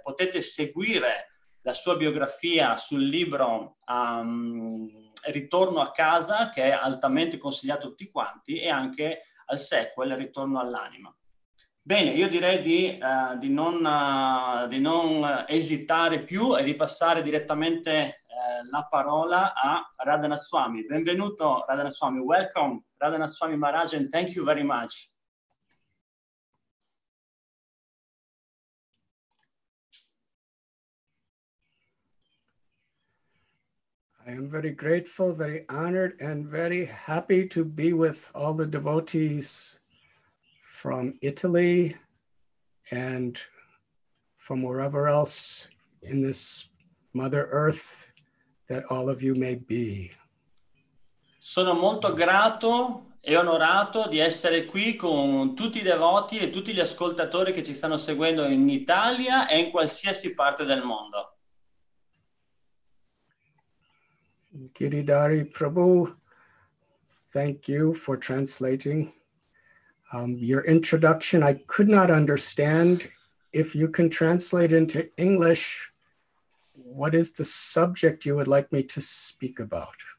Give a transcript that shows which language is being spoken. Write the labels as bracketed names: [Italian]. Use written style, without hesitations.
[Italian] Potete seguire la sua biografia sul libro Ritorno a casa, che è altamente consigliato a tutti quanti, e anche al sequel Ritorno all'anima. Bene, io direi di non esitare più e di passare direttamente la parola a Radhana Swami. Benvenuto Radhana Swami, [English] welcome Radhana Swami Maharaj and thank you very much. I am very grateful, very honored, and very happy to be with all the devotees from Italy and from wherever else in this Mother Earth that all of you may be. [Italian] Sono molto grato e onorato di essere qui con tutti i devoti e tutti gli ascoltatori che ci stanno seguendo in Italia e in qualsiasi parte del mondo. [English] Giridhari Prabhu, thank you for translating. Your introduction, I could not understand. If you can translate into English, what is the subject you would like me to speak about?